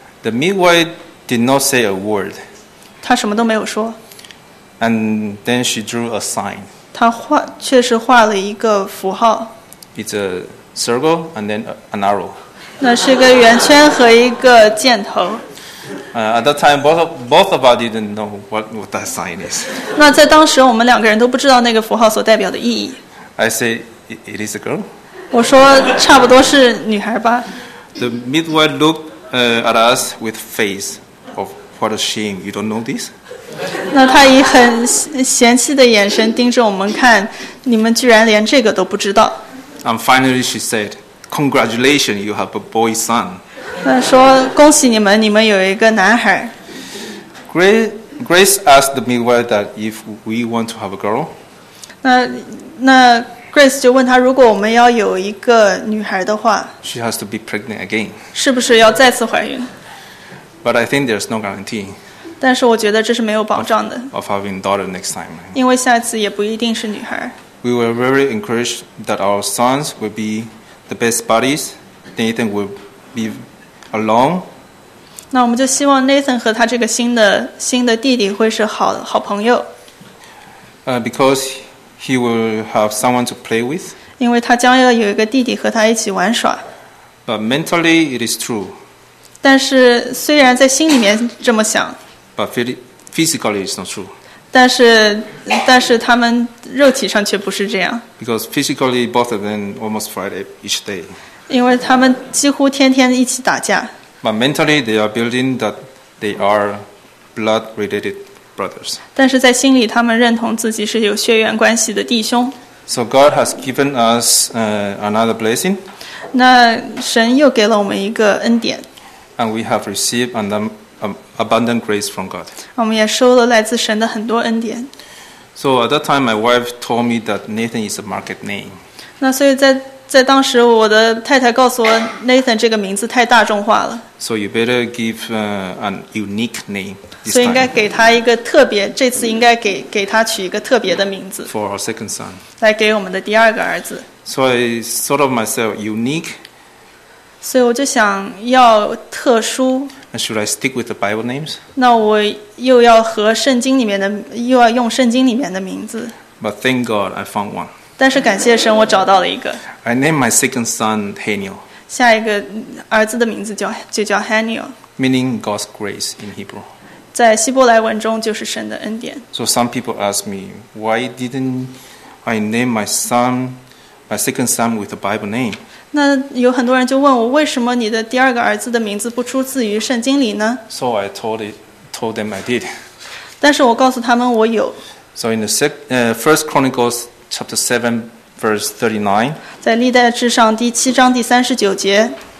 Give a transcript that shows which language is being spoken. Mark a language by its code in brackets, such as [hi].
[en] The midwife did not say a word. [zh] 他什么都没有说。 [en] And then she drew a sign. [zh] 他确实画了一个符号。 [en] It's a circle and then an arrow. [zh] 那是个圆圈和一个箭头。 [en] At that time, both of us didn't know what that sign is. [zh] 那在当时我们两个人都不知道那个符号所代表的意义。 [en] I say, it is a girl. [zh] 我说差不多是女孩吧。 [en] The midwife looked at us with face. What a shame! You don't know this. [zh] 那他以很嫌弃的眼神盯着我们看，你们居然连这个都不知道。 [en] And finally, she said, "Congratulations! You have a boy son." [zh] 那说恭喜你们，你们有一个男孩。 [en] Grace asked the midwife that if we want to have a girl. [zh] 那 Grace 就问他，如果我们要有一个女孩的话 [en] ，She has to be pregnant again. [zh] 是不是要再次怀孕？ [en] But I think there's no guarantee. [zh] 但是我觉得这是没有保障的。 [en] Of having daughter next time. [zh] 因为下次也不一定是女孩。 [en] We were very encouraged that our sons would be the best buddies. Nathan would be alone. [zh] 那我们就希望 Nathan 和他这个新的弟弟会是好朋友。 [en] Because he will have someone to play with. [zh] 因为他将要有一个弟弟和他一起玩耍。 [en] But mentally, it is true. [zh] 但是虽然在心里面这么想 [en] But physically it's not true. [zh] 但是他们肉体上却不是这样。 [en] Because physically both of them almost fight each day. [zh] 因为他们几乎天天一起打架。 [en] But mentally they are building that they are blood related brothers. [zh] 但是在心里他们认同自己是有血缘关系的弟兄。 [en] So God has given us another blessing. [zh] 那神又给了我们一个恩典。 [en] And we have received an abundant grace from God. [zh] 我们也收了来自神的很多恩典。 [en] So at that time, my wife told me that Nathan is a market name. [zh] 那所以在当时，我的太太告诉我 ，Nathan 这个名字太大众化了。 [en] So you better give an unique name. [zh] 所以应该给他一个特别，这次应该给他取一个特别的名字。 [en] For our second son. [zh] 来给我们的第二个儿子。 [en] So I thought of myself unique. [zh] 所以我就想要特殊。 [en] And should I stick with the Bible names? [zh] 那我又要和圣经里面的，又要用圣经里面的名字。 [en] But thank God, I found one. [zh] 但是感谢神，我找到了一个。 [en] I named my second son Haniel. [zh] 下一个儿子的名字就叫 Haniel. [en] Meaning God's grace in Hebrew. [zh] 在希伯来文中就是神的恩典。 [en] So some people ask me, why didn't I name my second son with the Bible name? [zh] 那有很多人就问我，为什么你的第二个儿子的名字不出自于圣经里呢？ [en] So I told them I did. [zh] 但是我告诉他们我有。 [en] So in the First Chronicles chapter 7 verse 39. [zh] 在历代志上第七章第三十九节。